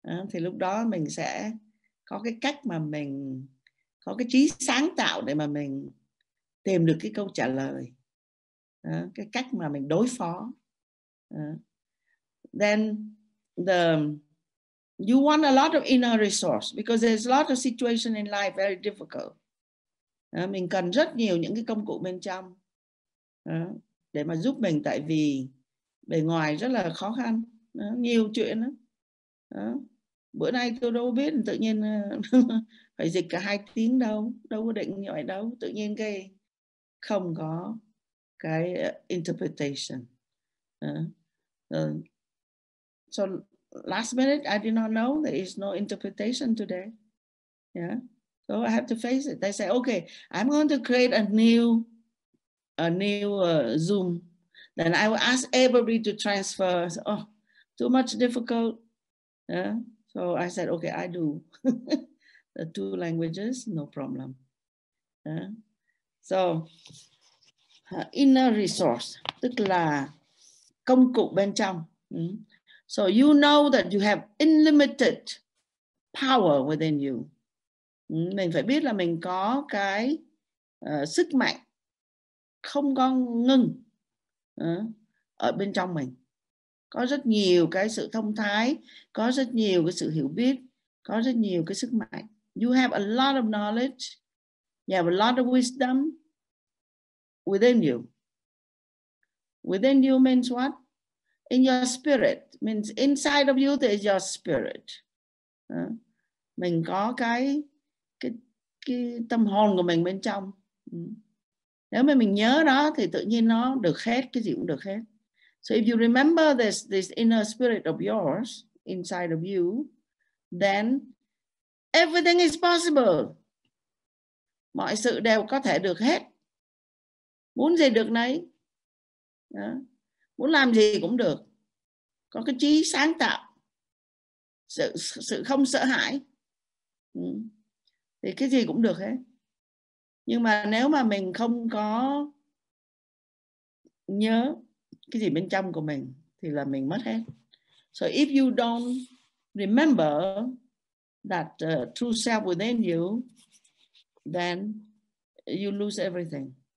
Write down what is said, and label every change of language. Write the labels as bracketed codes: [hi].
[vi] Thì lúc đó mình sẽ có cái cách mà mình có cái trí sáng tạo để mà mình tìm được cái câu trả lời. Cái cách mà mình đối phó. [en] Then you want a lot of inner resource because there's a lot of situation in life very difficult. [vi] Mình cần rất nhiều những cái công cụ bên trong để mà giúp mình, tại vì bề ngoài rất là khó khăn, nhiều chuyện đó. Bữa nay tôi đâu biết tự nhiên phải dịch cả 2 tiếng đâu, đâu có định như vậy đâu, tự nhiên cái không có cái interpretation. [en] So last minute I did not know there is no interpretation today. So I have to face it. They say, okay, I'm going to create a new Zoom. Then I will ask everybody to transfer. So, oh, too much difficult. So I said, okay, I do the two languages, no problem. So inner resource, [vi] tức là công cụ bên trong. [en] So you know that you have unlimited power within you. [vi] Mình phải biết là mình có cái sức mạnh không có ngừng ở bên trong mình. Có rất nhiều cái sự thông thái, có rất nhiều cái sự hiểu biết, có rất nhiều cái sức mạnh. [en] You have a lot of knowledge, you have a lot of wisdom within you. Within you means what? In your spirit, means inside of you there is your spirit. [vi] Mình có cái tâm hồn của mình bên trong. Nếu mà mình nhớ đó thì tự nhiên nó được hết, cái gì cũng được hết. [en] So if you remember this inner spirit of yours inside of you, then everything is possible. [vi] Mọi sự đều có thể được hết. Muốn gì được nấy. Muốn làm gì cũng được. Có cái trí sáng tạo. Sự không sợ hãi. Thì cái gì cũng được hết. Nhưng mà nếu mà mình không có nhớ cái gì bên trong của mình thì là mình mất hết. [en] So if you don't remember that true self within you, then you lose everything.